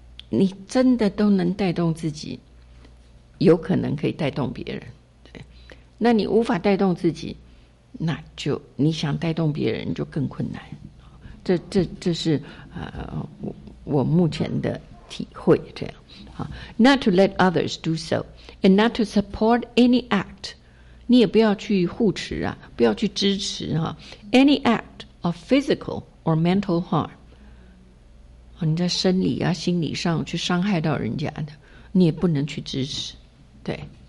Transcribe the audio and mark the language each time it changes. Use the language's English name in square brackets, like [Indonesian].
[Chinese] 你真的都能带动自己，有可能可以带动别人，对，那你无法带动自己，那就你想带动别人就更困难，这是我目前的体会，这样啊。 [English] Not to let others do so, and not to support any act. [Chinese] 你也不要去护持啊，不要去支持啊。 [English] Any act of physical or mental harm. [Chinese] 你在生理啊、心理上去伤害到人家的，你也不能去支持。对。